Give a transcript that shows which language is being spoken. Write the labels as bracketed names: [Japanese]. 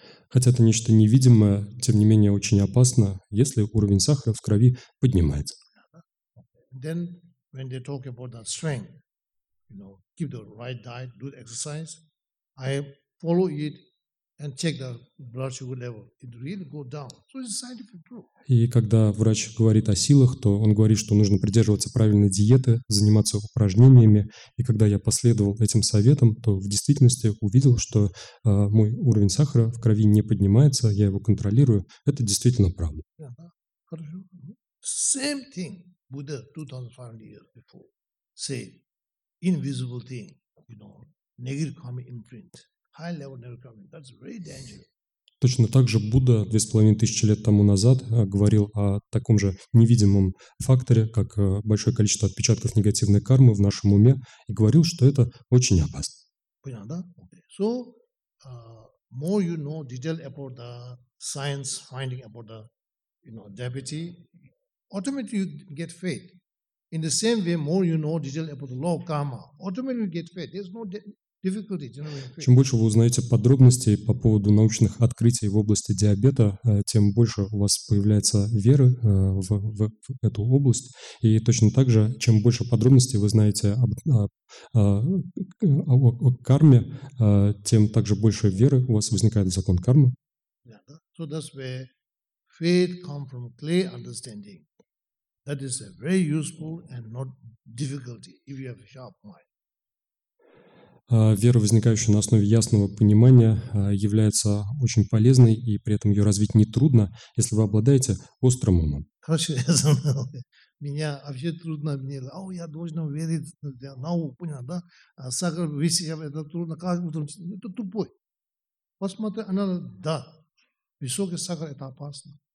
[Russian] Хотя это нечто невидимое, тем не менее очень опасно, если уровень сахара в крови поднимается. [English] Then when they talk about the strength, you know, keep the right diet, do the exercise, I follow it and check the blood sugar level. It really go down. So it's scientific proof. [Russian] И когда врач говорит о силах, то он говорит, что нужно придерживаться правильной диеты, заниматься упражнениями. И когда я последовал этим советам, то в действительности увидел, что мой уровень сахара в крови не поднимается, я его контролирую. Это действительно правда. [English] Same thing. Buddha 2500 years before say invisible thing, you know, negative karma imprint, high level negative karma, that's very dangerous. [Russian] Точно так же Будда 2500 лет тому назад говорил о таком же невидимом факторе, как большое количество отпечатков негативной кармы в нашем уме, и говорил, что это очень опасно. Понятно, да? Okay. [English] So, more you know detail about the science finding about the, you know, deity, automatically you get faith. In the same way, more you know detail about the law of karma, automatically you get faith. There's no difficulty. You know, [Russian] чем больше вы узнаете подробностей по поводу научных открытий в области диабета, тем больше у вас появляется веры в эту область. И точно так же, чем больше подробностей вы знаете о карме, тем также больше веры у вас возникает в закон кармы. [English] Yeah, so that's where faith comes from clear understanding. That is a very useful and not difficulty if you have a sharp mind. [Russian] Вера, возникающая на основе ясного понимания, является очень полезной, и при этом ее развить не трудно, если вы обладаете острым умом. Хорошо, я знаю. Меня вообще трудно обвинять. О, я должен верить в науку, понял, да? Сахар, весь я, это трудно. Как будто это тупой. Посмотри, она, да, высокий сахар, это опасно.